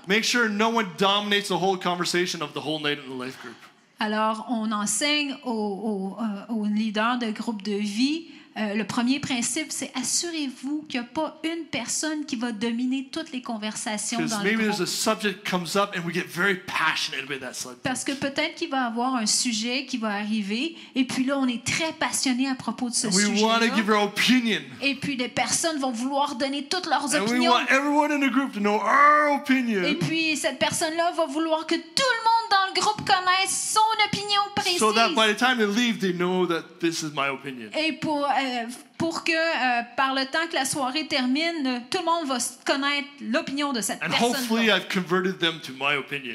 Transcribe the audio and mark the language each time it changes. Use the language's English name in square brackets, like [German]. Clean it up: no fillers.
[English] make sure no one dominates the whole conversation of the whole night in the life group. [French] Alors, on enseigne aux leaders de groupe de vie. Le premier principe, c'est assurez-vous qu'il n'y a pas une personne qui va dominer toutes les conversations dans le groupe. [English] Because maybe there's a subject comes up and we get very passionate about that subject. [French] Parce que peut-être qu'il va avoir un sujet qui va arriver et puis là on est très passionné à propos de ce sujet. [English] We want to give our opinion. [French] Et puis les personnes vont vouloir donner toutes leurs opinions. [English] And we want everyone in the group to know our opinion. [French] Et puis cette personne-là va vouloir que tout le monde dans le groupe connaisse son opinion précise. [English] So that by the time they leave, they know that this is my opinion. [French] Et pour que par le temps que la soirée termine, tout le monde va connaître l'opinion de cette [English] and [French] personne. [English] Hopefully I've converted them to my opinion.